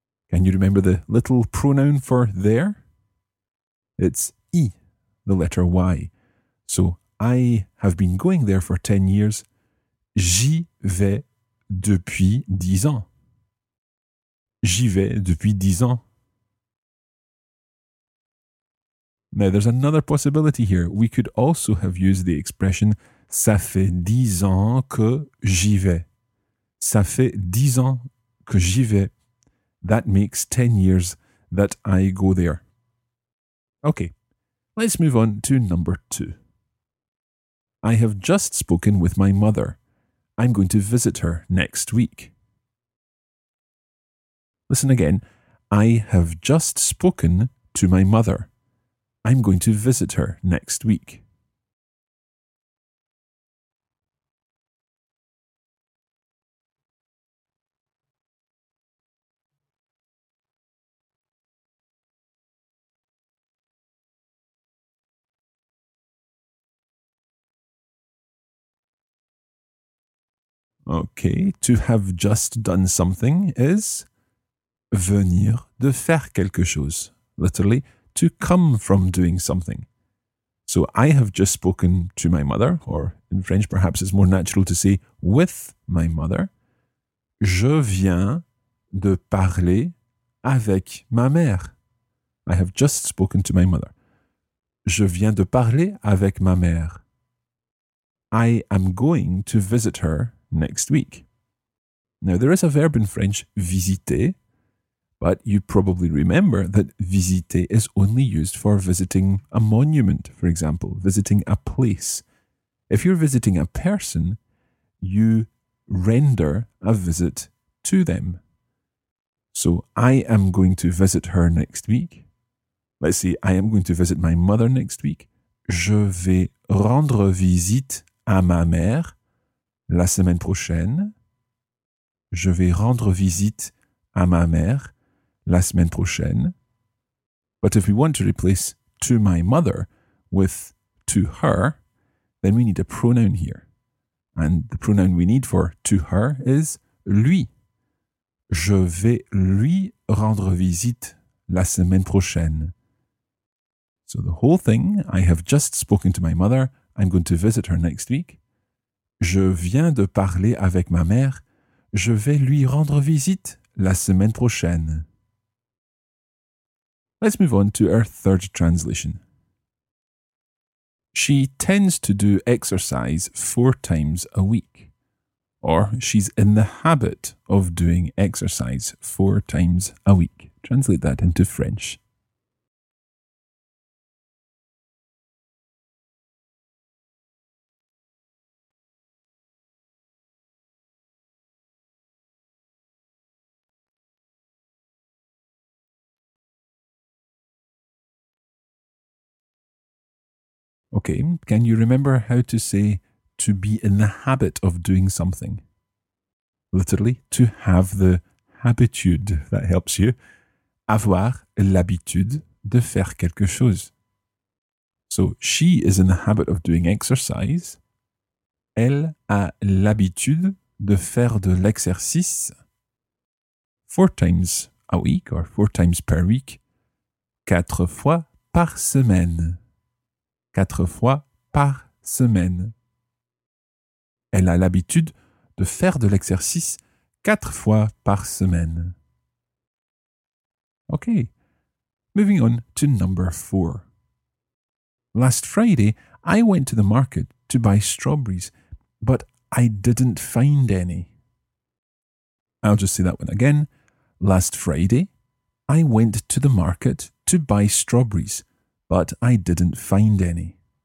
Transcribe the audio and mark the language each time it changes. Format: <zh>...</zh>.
<en>Can you remember the little pronoun for there? It's I, the letter Y. So, I have been going there for 10 years.</en> <fr>J'y vais depuis 10 ans. J'y vais depuis 10 ans.</fr> <en>Now, there's another possibility here. We could also have used the expression,</en> <fr>ça fait 10 ans que j'y vais. Ça fait 10 ans que j'y vais.</fr> <en>That makes 10 years that I go there. Okay, let's move on to number two. I have just spoken with my mother. I'm going to visit her next week. Listen again. I have just spoken to my mother. I'm going to visit her next week. Okay, to have just done something is</en> <fr>venir de faire quelque chose,</fr> <en>literally to come from doing something. So I have just spoken to my mother, or in French perhaps it's more natural to say with my mother.</en> <fr>Je viens de parler avec ma mère.</fr> <en>I have just spoken to my mother.</en> <fr>Je viens de parler avec ma mère.</fr> <en>I am going to visit her next week. Now, there is a verb in French, visiter, but you probably remember that visiter is only used for visiting a monument, for example, visiting a place. If you're visiting a person, you render a visit to them. So, I am going to visit her next week. Let's see, I am going to visit my mother next week.</en> <fr>Je vais rendre visite à ma mère la semaine prochaine. Je vais rendre visite à ma mère la semaine prochaine.</fr> <en>But if we want to replace to my mother with to her, then we need a pronoun here. And the pronoun we need for to her is lui.</en> <fr>Je vais lui rendre visite la semaine prochaine.</fr> <en>So the whole thing, I have just spoken to my mother, I'm going to visit her next week.</en> <fr>Je viens de parler avec ma mère, je vais lui rendre visite la semaine prochaine.</fr> <en>Let's move on to our third translation. She tends to do exercise 4 times a week. Or she's in the habit of doing exercise 4 times a week. Translate that into French. Okay, can you remember how to say to be in the habit of doing something? Literally, to have the habitude, that helps you.</en> <fr>Avoir l'habitude de faire quelque chose.</fr> <en>So, she is in the habit of doing exercise.</en> <fr>Elle a l'habitude de faire de l'exercice</fr> <en>4 times a week or 4 times per week.</en> <fr>4 fois par semaine. 4 fois par semaine. Elle a l'habitude de faire de l'exercice 4 fois par semaine.</fr> <en>Okay, moving on to number 4. Last Friday, I went to the market to buy strawberries, but I didn't find any. I'll just say that one again. Last Friday, I went to the market to buy strawberries, but I didn't find any.</en>